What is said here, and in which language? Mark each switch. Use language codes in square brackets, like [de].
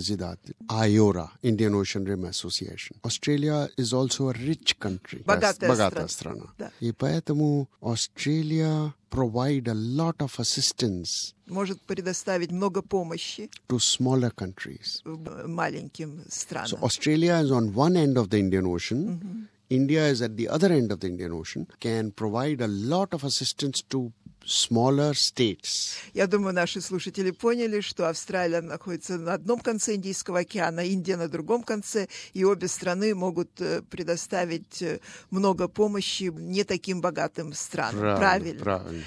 [en] Председатель. IORA, Indian Ocean Rim Association. Australia is also a rich country. [ru] Богатая страна. Да. И поэтому [en] Australia provide a lot of assistance. [ru] Может предоставить много помощи. [en] To smaller countries. [ru] Маленьким странам. [en] So Australia is on one end of the Indian Ocean. Mm-hmm. India is at the other end of the Indian Ocean. Can provide a lot of assistance to smaller states. [ru] Я думаю, наши слушатели поняли, что Австралия находится на одном конце Индийского океана, Индия на другом конце, и обе страны могут предоставить много помощи не таким богатым странам. Правильно.